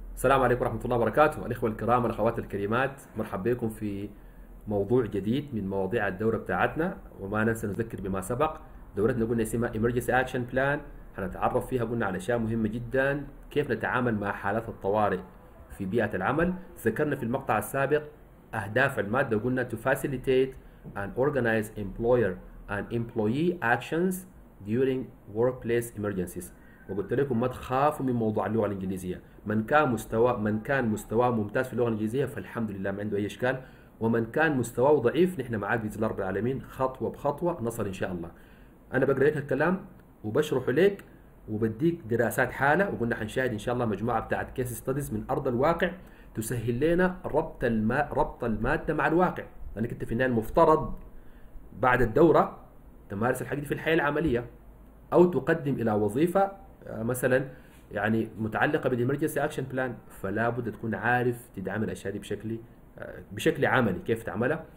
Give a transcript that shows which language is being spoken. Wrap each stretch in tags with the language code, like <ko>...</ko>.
<ar>السلام عليكم ورحمة الله وبركاته، الإخوة الكرام والأخوات الكريمات، مرحب بكم في موضوع جديد من مواضيع الدورة بتاعتنا. وما ننسى نذكر بما سبق، دورتنا قلنا اسمها Emergency Action Plan، هنتعرف فيها قلنا على أشياء مهمة جدا، كيف نتعامل مع حالات الطوارئ في بيئة العمل. ذكرنا في المقطع السابق أهداف المادة وقلنا</ar> <en>to facilitate and organize employer and employee actions during workplace emergencies.</en> <ar>وقلت لكم ما تخافوا من موضوع اللغة الإنجليزية، من كان مستواه ممتاز في اللغة الإنجليزية فالحمد لله ما عنده أي إشكال، ومن كان مستواه ضعيف نحن معاك بإذن الله رب العالمين خطوة بخطوة نصل إن شاء الله. أنا بقرأ لك الكلام وبشرح لك وبديك دراسات حالة، وقلنا حنشاهد إن شاء الله مجموعة بتاعة كيس ستاديز من أرض الواقع تسهل لنا ربط المادة مع الواقع، لأنك أنت في النهاية المفترض بعد الدورة تمارس الحاجة دي في الحياة العملية أو تقدم إلى وظيفة مثلا يعني متعلقة بالإمرجنسي أكشن بلان، فلا بد تكون عارف تدعم الأشياء دي بشكل عملي كيف تعملها.</ar>